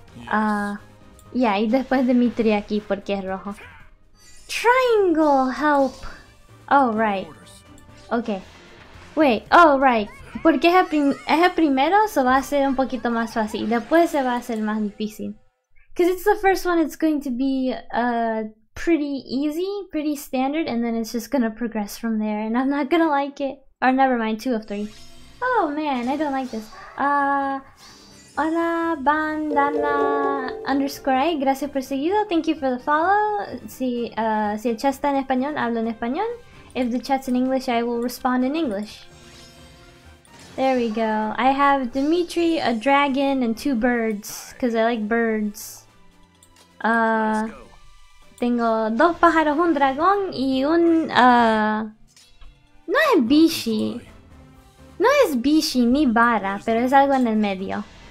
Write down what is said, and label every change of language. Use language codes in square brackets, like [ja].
[es] Yeah, y después Dimitri aquí porque es rojo. [en] Triangle help. Oh, right. Okay. Wait, oh, right. [es] Porque es el primero, so va a ser un poquito más fácil. Después se va a hacer más difícil. [en] Because it's the first one, it's going to be pretty easy, pretty standard, and then it's just gonna progress from there, and I'm not gonna like it. Or never mind, two of three. Oh man, I don't like this. Hola, bandana, underscore I, gracias por seguido, thank you for the follow. [es] Si el chat está en español, hablo en español. [en] If the chat's in English, I will respond in English. There we go. I have Dimitri, a dragon, and two birds, because I like birds. [es] Tengo dos pájaros, un dragón, y un, no es Bishi. No es Bishi ni Bara, pero es algo en el medio.